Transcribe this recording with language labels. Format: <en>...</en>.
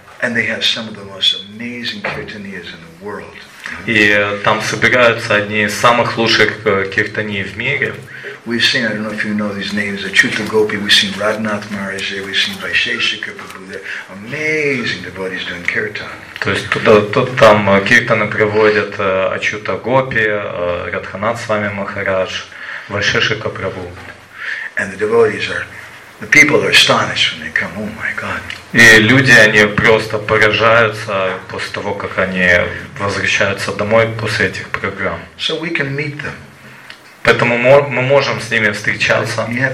<en>And they have some of the most amazing kirtaniyas in the world.</en> <ru>И там собираются одни из самых лучших киртаний в мире.</ru> <en>We've seen, I don't know if you know these names, Achyuta Gopi, we've seen Radhanath Maharaj there, we've seen Vaisheshika Prabhu there. Amazing devotees doing kirtan.</en> <ru>То есть тут там киртаны проводят Ачюта Гопи, Радханат Свами Махарадж, Вайшешика Прабу.</ru> <en>And the devotees are, the people are astonished when they come, oh my God.</en> <ru>И люди, они просто поражаются после того, как они возвращаются домой после этих программ.</ru> <en>So we can meet them.</en> <ru>Поэтому мы можем с ними встречаться.</ru>